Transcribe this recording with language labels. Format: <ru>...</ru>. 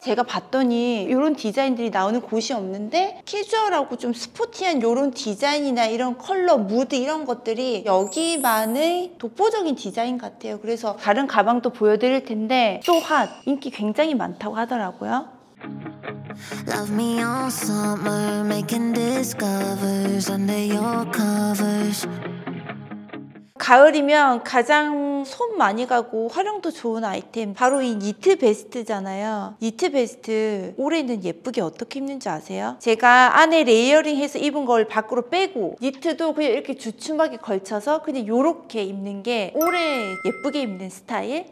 <ko>제가 봤더니 이런 디자인들이 나오는 곳이 없는데 캐주얼하고 좀 스포티한 이런 디자인이나 이런 컬러, 무드 이런 것들이 여기만의 독보적인 디자인 같아요. 그래서 다른 가방도 보여드릴 텐데 또 핫! 인기 굉장히 많다고 하더라고요.</ko> <en>Love me all summer, making discovers under your covers.</en> <ko>가을이면 가장 손 많이 가고 활용도 좋은 아이템 바로 이 니트 베스트잖아요. 니트 베스트 올해는 예쁘게 어떻게 입는지 아세요? 제가 안에 레이어링해서 입은 걸 밖으로 빼고 니트도 그냥 이렇게 주춤하게 걸쳐서 그냥 이렇게 입는 게 올해 예쁘게 입는 스타일?</ko>